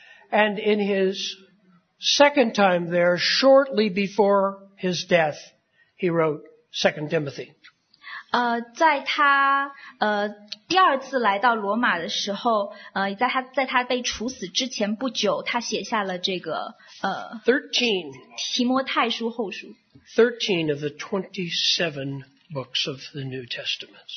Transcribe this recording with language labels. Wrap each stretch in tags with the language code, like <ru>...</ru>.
<en>And in his second time there, shortly before his death, he wrote 2 Timothy.</en> <zh>在他第二次来到罗马的时候，在他被处死之前不久，他写下了这个。</zh> <en>13.</en> <zh>提摩太书后书。</zh> <en>13 of the 27 books of the New Testament.</en>